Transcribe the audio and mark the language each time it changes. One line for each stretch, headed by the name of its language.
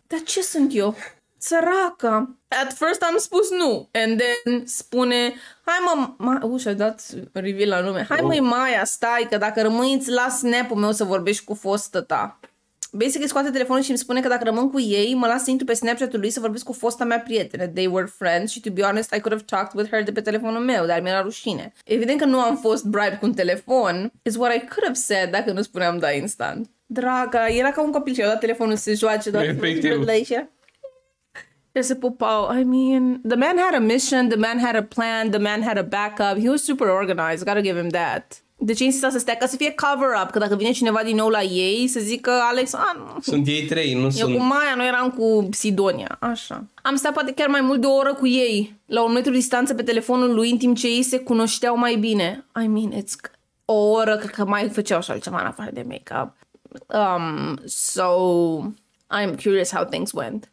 Romanian: Dar ce sunt eu? Săracă.
English: At first
Romanian: am spus nu.
English: And then
Romanian: spune, hai mă, și-a dat reveal la nume. Hai măi Maia, stai, că dacă rămâi îți las snap-ul meu să vorbești cu fostă ta. Basically scoate telefonul și îmi spune că dacă rămân cu ei, mă las să intru pe Snapchat-ul lui să vorbesc cu fosta mea prietenă.
English: They were friends și to be honest, I could have talked with her
Romanian: de pe telefonul meu, dar mi-era rușine. Evident că nu am fost bribed cu un telefon.
English: It's what I could have said
Romanian: dacă nu spuneam da instant. Draga, era ca un copil și-a dat telefonul să joace, doar efectiv. Se pupau.
English: I mean, the man had a mission, the man had a plan, the man had a backup. He was super organized, gotta give him that.
Romanian: De ce insista să stea? Ca să fie cover-up, că dacă vine cineva din nou la ei, să zică Alex, sunt ei trei, nu eu sunt... Eu cu Maia, noi eram cu Sidonia, așa. Am stat poate chiar mai mult de o oră cu ei, la un metru distanță pe telefonul lui, în timp ce ei se cunoșteau mai bine.
English: I mean, it's...
Romanian: O oră, cred că mai făceau și altceva în afară de make-up.
English: So, I'm curious how things went.